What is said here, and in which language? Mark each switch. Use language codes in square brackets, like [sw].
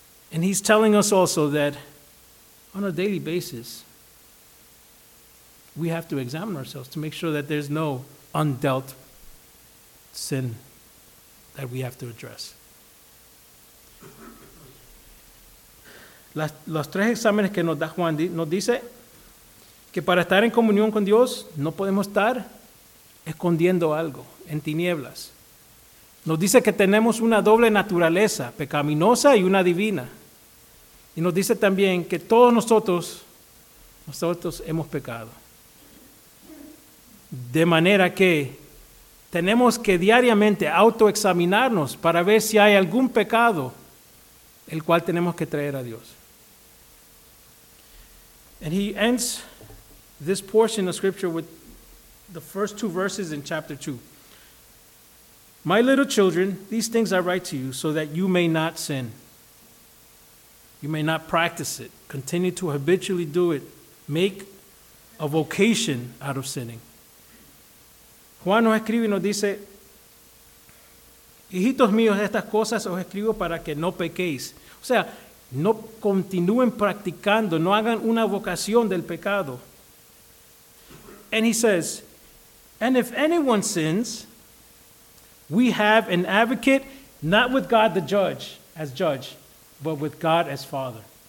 [en] And he's telling us also that on a daily basis, we have to examine ourselves to make sure that there's no undealt sin that we have to address. [es] Los tres exámenes que nos da Juan nos dice que para estar en comunión con Dios no podemos estar escondiendo algo en tinieblas. Nos dice que tenemos una doble naturaleza, pecaminosa y una divina. Y nos dice también que todos nosotros hemos pecado. De manera que tenemos que diariamente autoexaminarnos para ver si hay algún pecado el cual tenemos que traer a Dios. [en] And he ends this portion of scripture with the first two verses in chapter 2. "My little children, these things I write to you so that you may not sin. You may not practice it. Continue to habitually do it. Make a vocation out of sinning." [es] Juan nos escribe y nos dice, "Hijitos míos, estas cosas os escribo para que no pequéis." O sea, no continúen practicando, no hagan una vocación del pecado. [en] And he says, "And if anyone sins, we have an advocate, not with God the judge, as judge, but with God as Father."